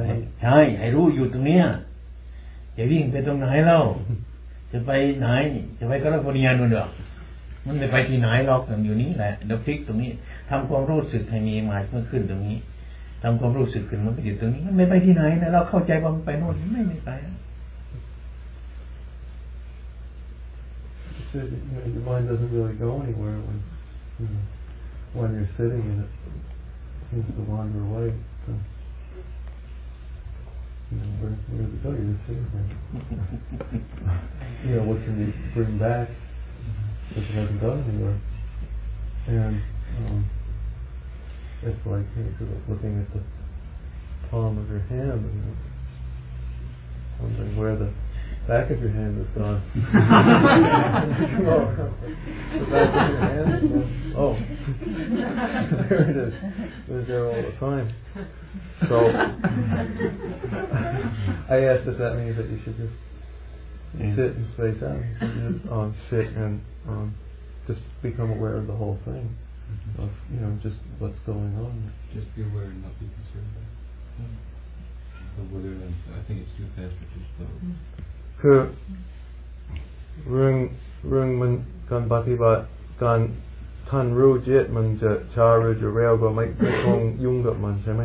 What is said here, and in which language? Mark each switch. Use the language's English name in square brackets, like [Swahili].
[Thai] ใช่ให้รู้อยู่ตรงนี้จะวิ่งไปตรงไหนเล่าจะไปไหนจะไปแคลิฟอร์เนียโน่นเด้อมันไปที่ไหนหรอกอยู่นี้แหละเดี๋ยวพลิกตรงนี้ทำความรู้สึกให้มีมาเมื่อขึ้นตรงนี้ทำความรู้สึกขึ้นมันไปอยู่ตรงนี้มันไม่ไปที่ไหนนะเราเข้าใจว่ามันไปโน่นไม่ไปอ่ะ [English] So your mind doesn't really go anywhere when you're sitting in it seems to wander away so where does it go you're sitting there you know what can you bring backBut it hasn't gone anywhere. And it's like, you know, like looking at the palm of your hand and you know, wondering where the back of your hand has gone. The back of your hand is gone. Oh, there it is. It was there all the time. So I asked if that means that you should just sit and stay down. Sit and... just become aware of the whole thing, of you know, just what's going on. Just be aware and not be concerned about it. But whether I think it's too fast or too slow. [Thai] คือเรื่องมันการปฏิบัติการท่านรู้จิตมันจะช้าหรือจะเร็วก็ไม่ต้องยุ่งกับมันใช่ไหม